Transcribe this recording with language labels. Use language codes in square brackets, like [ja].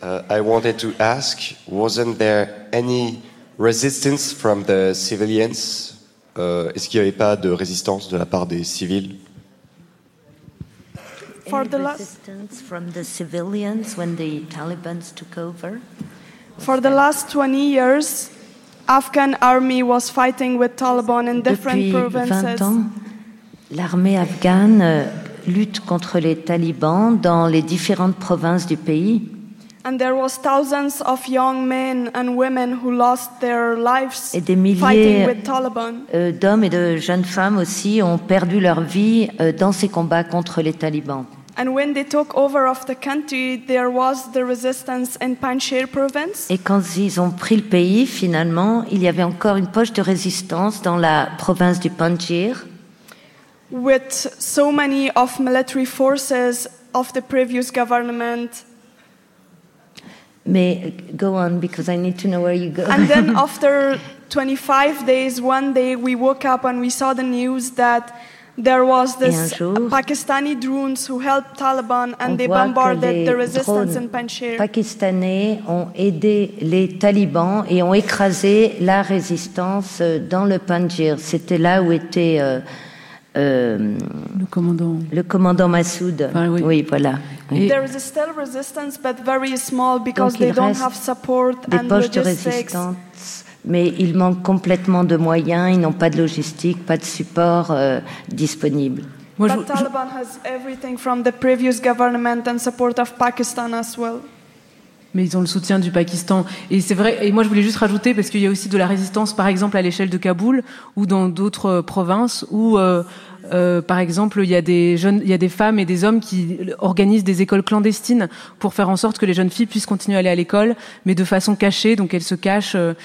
[en] I wanted to ask, wasn't there any resistance from the civilians? [fr] Est-ce qu'il n'y avait pas de résistance de la part des civils? [en] For the resistance from the civilians when the Taliban took over. For the last 20 years, Afghan army was fighting with Taliban in different provinces. [fr] Depuis 20 ans, l'armée afghane lutte contre les talibans dans les différentes provinces du pays. [en] And there was thousands of young men and women who lost their lives fighting with [fr] Taliban. Et des milliers d'hommes et de jeunes femmes aussi ont perdu leur vie dans ces combats contre les talibans. [en] And when they took over of the country, there was the resistance in Panjshir province. [fr] Et quand ils ont pris le pays, finalement, il y avait encore une poche de résistance dans la province du Panjshir. [en] With so many of military forces of the previous government. May go on because I need to know where you go. And then after 25 days, one day we woke up and we saw the news that there was this Pakistani drones who helped Taliban and they bombarded the resistance in Panjshir. [fr] Les Pakistanais ont aidé les Talibans et ont écrasé la résistance dans le Panjshir. C'était là où était le commandant Massoud. Ah, oui. Oui, voilà. Oui. [en] There is still resistance, but very small because they don't have support and logistics. [fr] Mais ils manquent complètement de moyens, ils n'ont pas de logistique, pas de support disponible. [en] Moi, but Taliban has everything from the previous government and support of Pakistan as well. [fr] Mais ils ont le soutien du Pakistan. Et c'est vrai, et moi je voulais juste rajouter, parce qu'il y a aussi de la résistance, par exemple, à l'échelle de Kaboul, ou dans d'autres provinces, où, par exemple, il y a des femmes et des hommes qui organisent des écoles clandestines pour faire en sorte que les jeunes filles puissent continuer à aller à l'école, mais de façon cachée, donc elles se cachent.